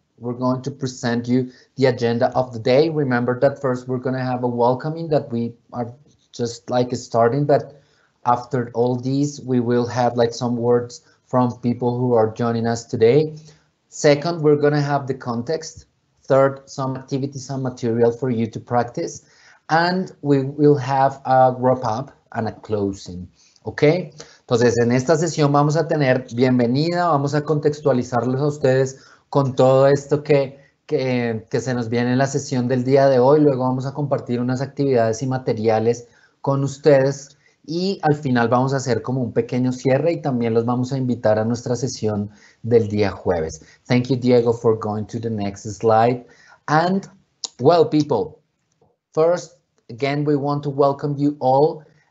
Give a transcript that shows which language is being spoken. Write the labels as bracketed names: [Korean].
[English] We're going to present you the agenda of the day. Remember that first we're going to have a welcoming that we are just like starting, but after all these, we will have like some words from people who are joining us today. Second, we're going to have the context. Third, some activities and material for you to practice. And we will have a wrap up and a closing. Okay? [Spanish] Entonces, en esta sesión vamos a tener bienvenida, vamos a contextualizarlos a ustedes con todo esto que se nos viene en la sesión del día de hoy. Luego vamos a compartir unas actividades y materiales con ustedes Y al final vamos a hacer como un pequeño cierre y también los vamos a invitar a nuestra sesión del día jueves. [English] Thank you, Diego, for going to the next slide. And, well, people, first, again, we want to welcome you all.